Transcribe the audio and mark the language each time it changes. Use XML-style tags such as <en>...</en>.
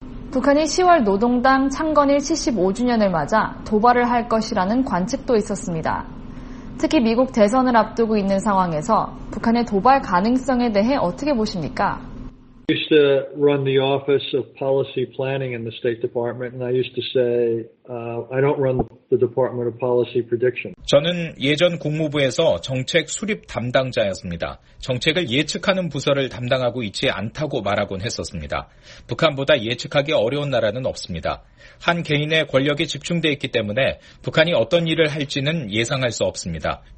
<ko>북한이 10월 노동당 창건일 75주년을 맞아 도발을 할 것이라는 관측도 있었습니다. 특히 미국 대선을 앞두고 있는 상황에서 북한의 도발 가능성에 대해 어떻게 보십니까?</ko> <en>I used to run the office of policy planning in the State Department, and I used to say, I don't run the Department of Policy Prediction.</en> <ko>저는 예전 국무부에서 정책 수립 담당자였습니다. 정책을 예측하는 부서를 담당하고 있지 않다고 말하곤 했었습니다. 북한보다 예측하기 어려운 나라는 없습니다. 한 개인의 권력이 집중되어 있기 때문에 북한이 어떤 일을 할지는 예상할 수 없습니다.</ko>